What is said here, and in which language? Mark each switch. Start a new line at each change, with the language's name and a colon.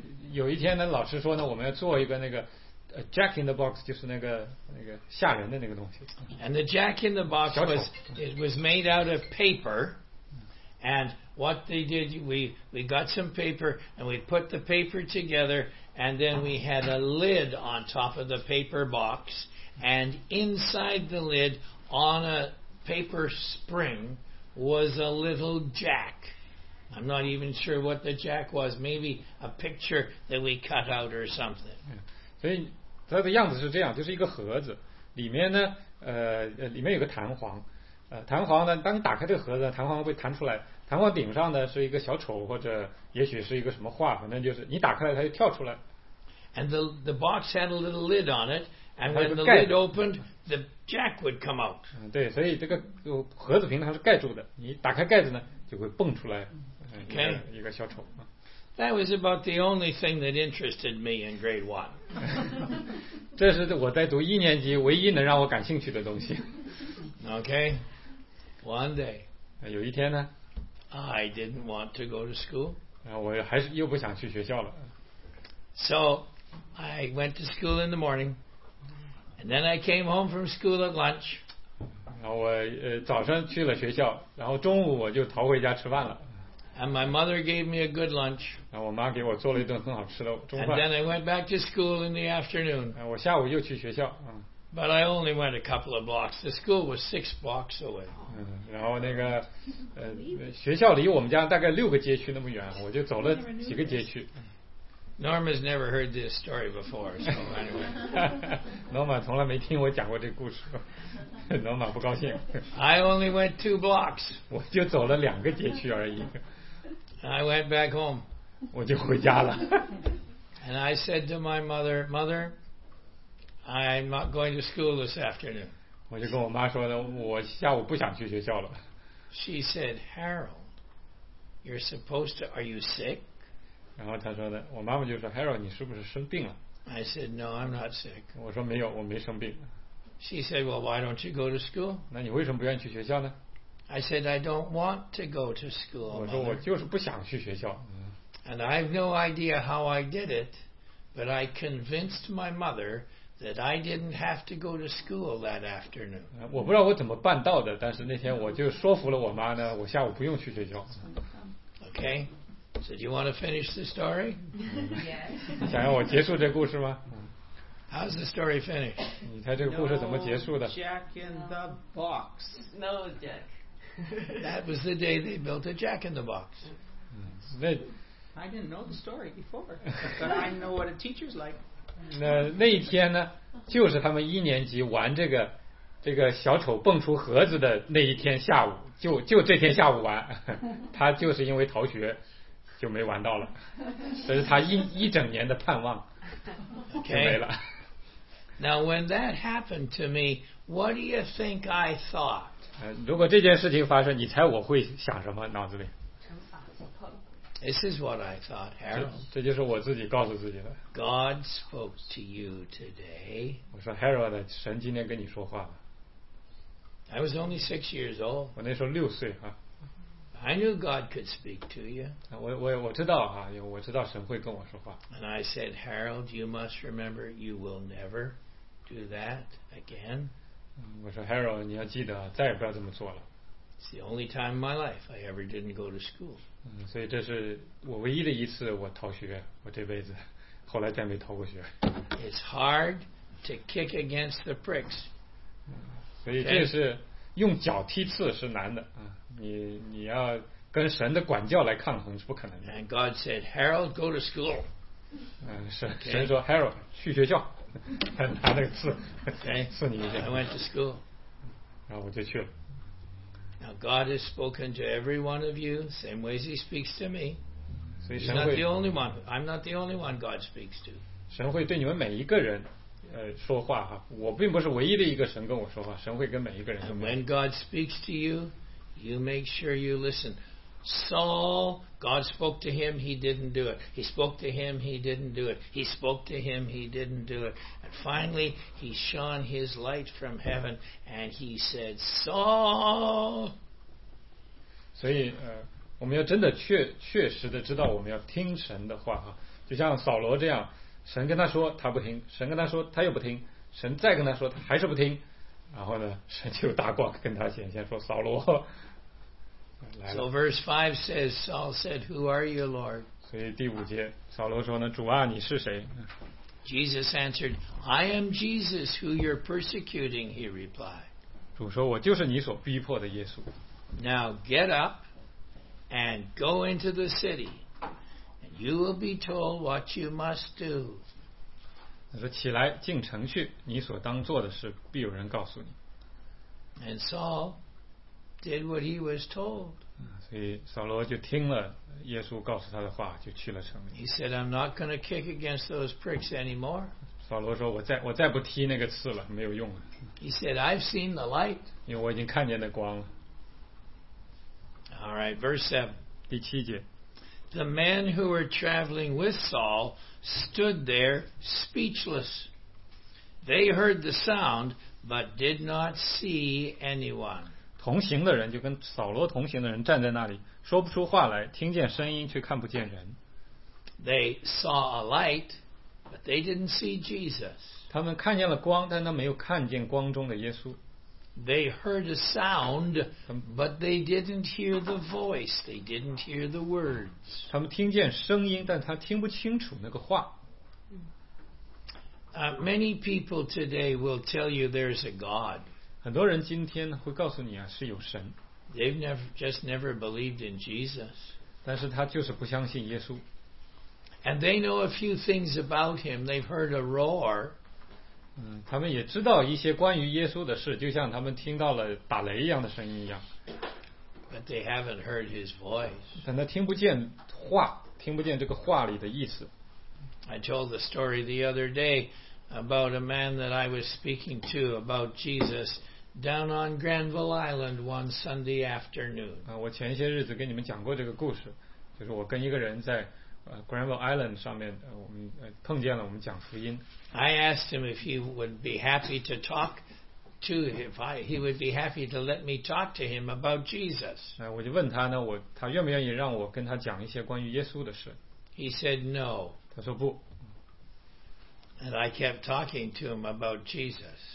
Chinese: 有一天呢，老师说呢，我们要做一个那个。
English: A jack in the box
Chinese: 就是那个吓人的那个东西。
English: And the jack in the box was it was made out of paper. And what they did, we got some paper and we put the paper together and then we had a lid on top of the paper box. And inside the lid, on a paper spring, was a little jack. I'm not even sure what the jack was. Maybe a picture that we cut out or something.
Chinese: 所以它的样子是这样，就是一个盒子，里面呢，里面有个弹簧，弹簧呢，当你打开这个盒子，弹簧会弹出来，弹簧顶上呢是一个小丑或者也许是一个什么画，反正就是你打开了它就跳出来。
English: And the box had a little lid on it, and when the lid opened, the jack would come out.
Chinese: 对，所以这个盒子平常是盖住的，你打开盖子呢就会蹦出来，一个小丑。
English: That was about the only thing that interested me in grade one.
Chinese: 这是我在读一年级唯一能让我感兴趣的东西。
English: Okay. One day.
Chinese: 有一天呢。
English: I didn't want to go to school.
Chinese: 我还是又不想去学校了。
English: So, I went to school in the morning. And then I came home from school at lunch.
Chinese: 然后我早上去了学校，然后中午我就逃回家吃饭了。
English: And my mother gave me a good lunch.
Chinese: 我妈给我做了一顿很好吃的中饭。
English: And then I went back to school in the afternoon.
Chinese: 我下午又去学校。
English: But I only went a couple of blocks. The school was 6 blocks away.
Chinese: 然后那个学校离我们家大概6个街区那么远，我就走了几个街区。
English: Norma's never heard this story before, so anyway.
Chinese: Norma 从来没听我讲过这个故事。Norma 不高兴。
English: I only went two blocks.
Chinese: 我就走了两个街区而已。
English: I went back home.
Chinese: 我就回家了。
English: And I said to my mother, Mother, I'm not going to school this afternoon.
Chinese: 我就跟我妈说呢，我下午不想去学校了。
English: She said, Harold, you're supposed to, are you sick?
Chinese: 然后他说的，我妈妈就说 ，Harold， 你是不是生病了
English: ？I said no, I'm not sick.
Chinese: 我说没有，我没生病。
English: She said, well, why don't you go to school?
Chinese: 那你为什么不愿意去学校呢
English: ？I said I don't want to go to school.
Chinese: 我说我就是不想去学校。
English: And I have no idea how I did it, but I convinced my mother that I didn't have to go to school that afternoon.
Chinese: 我不知道我怎么办到的，但是那天我就说服了我妈呢，我下午不用去学校。
English: Okay. So do you want to finish the story?
Chinese: Yes. 想要我结束这故事吗
English: How's the story finished?
Chinese: 你猜这个故事怎么结束的
English: No jack in the box. No jack. That was the day they built a jack in the box. I didn't know the story before, but I know what a teacher's like.
Chinese: 那一天呢，就是他们一年级玩这个小丑蹦出盒子的那一天下午，就这天下午玩，他就是因为逃学。就没玩到了，这是他一整年的盼望，
English: okay.
Chinese: 就没了。
English: Now when that happened to me, what do you think I thought?
Chinese: 如果这件事情发生，你猜我会想什么脑子里
English: ？This is what I thought, Harold.
Chinese: 这就是我自己告诉自己的。
English: God spoke to you today.
Chinese: 我说 Harold， 神今天跟你说话了。
English: I was only 6 years old.
Chinese: 我那时候六岁啊。
English: I knew God could speak to you.
Chinese: 我知道啊，我知道神会跟我说话。
English: And I said, Harold, you must remember, you will never do that again.
Chinese: 我说 Harold， 你要记得，再也不要这么做了。
English: It's the only time in my life I ever didn't go to school.
Chinese: 所以这是我唯一的一次我逃学，我这辈子后来再没逃过学。
English: It's hard to kick against the pricks.
Chinese: 所以这是用脚踢刺是难的啊。你要跟神的管教来抗衡是不可能的。
English: And God said, Harold, go to school.
Chinese: 神说 Harold 去学校，拿那个刺，刺你一下。
English: I went to school.
Chinese: 然后我就去了。
English: Now God has spoken to every one of you same ways He speaks to me.
Chinese: 所以神会。
English: He's not the only one. I'm not the only one God speaks to.
Chinese: 神会对你们每一个人。说话哈，我并不是唯一的一个神跟我说话，神会跟每一个人说话。
English: And when God speaks to you. You make sure you listen. Saul, God spoke to him, he didn't do it. He spoke to him, he didn't do it. He spoke to him, he didn't do it. And finally, he shone his light from heaven, and he said, Saul!
Chinese: 所以我们要真的确实的知道我们要听神的话哈。就像扫罗这样，神跟他说他不听，神跟他说他又不听，神再跟他说他还是不听。然后呢，神就大光跟他显现说：“扫罗，来了。”
English: So verse 5 says, Saul said, "Who are you, Lord?"
Chinese: 所以第五节，扫罗说呢：“主啊，你是谁？”
English: Jesus answered, "I am Jesus who you're persecuting." He replied.
Chinese: 主说：“我就是你所逼迫的耶稣。”
English: Now get up and go into the city, and you will be told what you must do.
Chinese: 他说起来进城去你所当做的事必有人告诉你
English: And Saul did what he was told
Chinese: 所以扫罗就听了耶稣告诉他的话就去了城里
English: He said I'm not going to kick against those pricks anymore
Chinese: 扫罗说我再不踢那个刺了没有用了
English: He said I've seen the light
Chinese: 因为我已经看见那光了
English: Alright verse 7
Chinese: 第七节
English: The men who were traveling with Saul stood there speechless. They heard the sound, but did not see anyone.
Chinese: 同行的人就跟扫罗同行的人站在那里，说不出话来，听见声音却看不见人。
English: They saw a light, but they didn't see Jesus.
Chinese: 他们看见了光，但他没有看见光中的耶稣。
English: They heard a sound, but they didn't hear the voice. They didn't hear the words.
Chinese: 他们听见声音，但他听不清楚那个话。
English: Many people today will tell you there's a God.
Chinese: 很多人今天会告诉你啊，是有神。
English: They've never just never believed in Jesus.
Chinese: 但是他就是不相信耶稣。
English: And they know a few things about him. They've heard a roar.
Chinese: 他们也知道一些关于耶稣的事，就像他们听到了打雷一样的声音一样。
English: But they haven't heard his voice.
Chinese: 但他听不见话，听不见这个话里的意思。
English: I told the story the other day about a man that I was speaking to about Jesus down on Granville Island one Sunday afternoon.
Chinese: 我前些日子跟你们讲过这个故事，就是我跟一个人在Granville Island 上面，我们碰见了，我们讲福音。
English: I asked him if he would be happy to talk to him. If he would be happy to let me talk to him about Jesus.
Chinese: 我就问他呢，他愿不愿意让我跟他讲一些关于耶稣的事。
English: He said no.
Chinese: 他说不。
English: And I kept talking to him about Jesus.